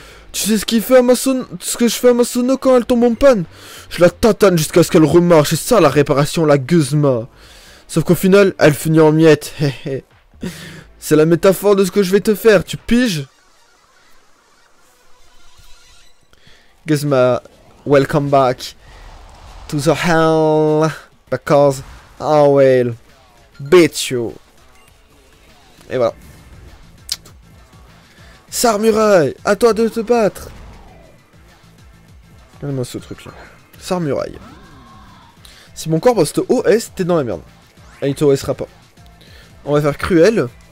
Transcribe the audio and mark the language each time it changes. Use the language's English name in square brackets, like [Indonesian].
[French] Tu sais ce que je fais à ma sono quand elle tombe en panne? Je la tatane jusqu'à ce qu'elle remarche, c'est ça la réparation, la Guzma. Sauf qu'au final, elle finit en miettes. C'est la métaphore de ce que je vais te faire, tu piges? [English] Guzma, welcome back to the hell because I will beat you. [French] Et voilà. Samurai, à toi de te battre. Regarde-moi ce truc là. Samurai. Si mon corps poste OS, t'es dans la merde. Il te OSera pas. On va faire cruel.